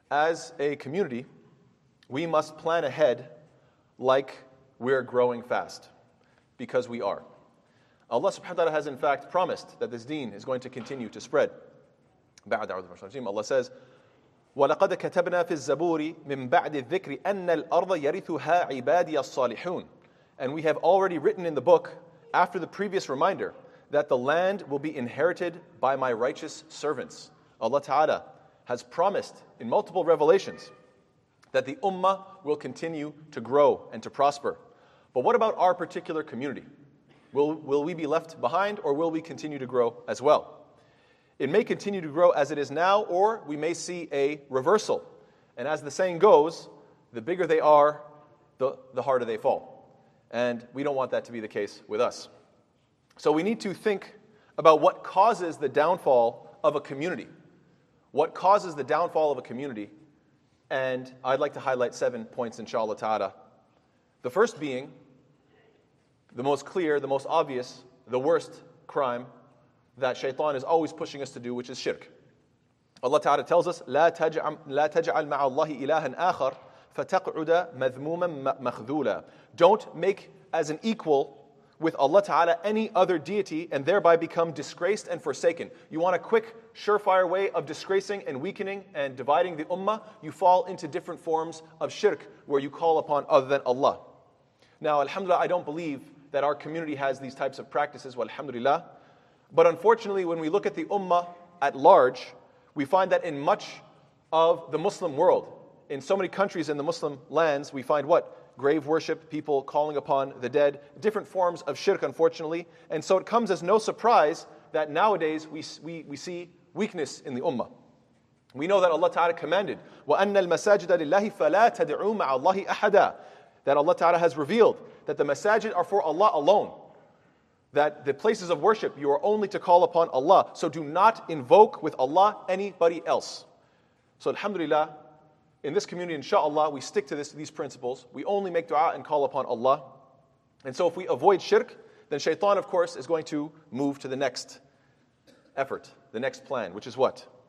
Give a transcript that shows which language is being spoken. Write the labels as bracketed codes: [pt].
[en] As a community, we must plan ahead like we're growing fast, because we are. Allah subhanahu wa ta'ala has in fact promised that this deen is going to continue to spread. Allah says, [ar] وَلَقَدْ كَتَبْنَا فِي الزَّبُورِ مِنْ بَعْدِ الذِّكْرِ أَنَّ الْأَرْضَ يَرِثُهَا عِبَادِيَ الصَّالِحُونَ. [en] And we have already written in the book, after the previous reminder, that the land will be inherited by my righteous servants. Allah Ta'ala has promised in multiple revelations that the ummah will continue to grow and to prosper. But what about our particular community? Will we be left behind, or will we continue to grow as well? It may continue to grow as it is now, or we may see a reversal. And as the saying goes, the bigger they are, the harder they fall. And we don't want that to be the case with us. So we need to think about what causes the downfall of a community. What causes the downfall of a community? And I'd like to highlight 7 points, inshallah ta'ala. The first being, the most clear, the most obvious, the worst crime that shaitan is always pushing us to do, which is shirk. Allah ta'ala tells us, [ar] لَا تَجْعَلْ مَعَ اللَّهِ إِلَهًا آخَرٍ فَتَقْعُدَ مَذْمُومًا مَخْذُولًا. [en] Don't make as an equal with Allah ta'ala any other deity and thereby become disgraced and forsaken. You want a quick, surefire way of disgracing and weakening and dividing the ummah? You fall into different forms of shirk where you call upon other than Allah. Now, alhamdulillah, I don't believe that our community has these types of practices, walhamdulillah. But unfortunately, when we look at the ummah at large, we find that in much of the Muslim world, in so many countries in the Muslim lands, we find what? Grave worship, people calling upon the dead, different forms of shirk, unfortunately. And so it comes as no surprise that nowadays we see weakness in the ummah. We know that Allah Ta'ala commanded, [ar] وَأَنَّ الْمَسَاجِدَ لِلَّهِ فَلَا تَدْعُوا مَعَ اللَّهِ أَحَدًا. [en] That Allah Ta'ala has revealed that the masajid are for Allah alone. That the places of worship, you are only to call upon Allah. So do not invoke with Allah anybody else. So alhamdulillah, in this community, inshallah, we stick to these principles. We only make dua and call upon Allah. And so if we avoid shirk, then shaitan, of course, is going to move to the next effort, the next plan, which is what?